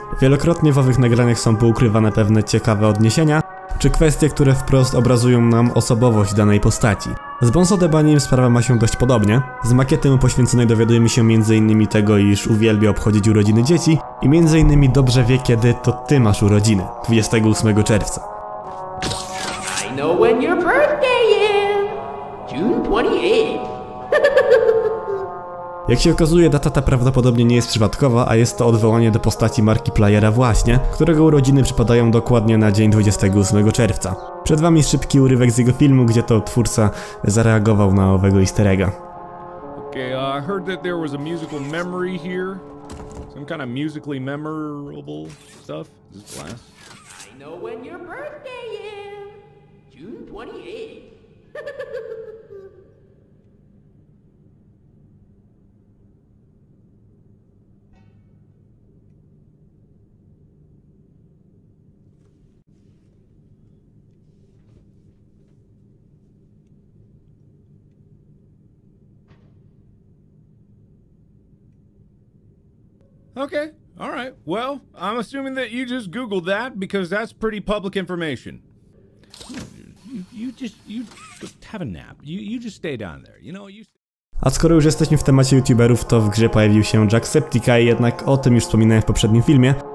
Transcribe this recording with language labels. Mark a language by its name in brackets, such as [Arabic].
[Polish] Wielokrotnie w owych nagraniach są poukrywane pewne ciekawe odniesienia, czy kwestie, które wprost obrazują nam osobowość danej postaci. Z Bonzo Dybaniem sprawa ma się dość podobnie. Z makiety mu poświęconej dowiadujemy się m.in. tego, iż uwielbia obchodzić urodziny dzieci i m.in. dobrze wie, kiedy to ty masz urodziny, 28 czerwca. [English] I know when your birthday is. June 28. [Polish] Jak się okazuje, data ta prawdopodobnie nie jest przypadkowa, a jest to odwołanie do postaci Markiplayera właśnie, którego urodziny przypadają dokładnie na dzień 28 czerwca. Przed wami szybki urywek z jego filmu, gdzie to twórca zareagował na owego easter egga. [English] Okay, I heard that there was a musical memory here. Some kind of musically memorable stuff. Is this class? I know when your birthday is. June 28. Okay, all right. Well, I'm assuming that you just Googled that because that's pretty public information. You just have a nap. You just stay down there. You know, you. [Polish] A skoro już jesteśmy w temacie youtuberów, to w grze pojawił się Jacksepticeye, jednak o tym już wspominałem w poprzednim filmie.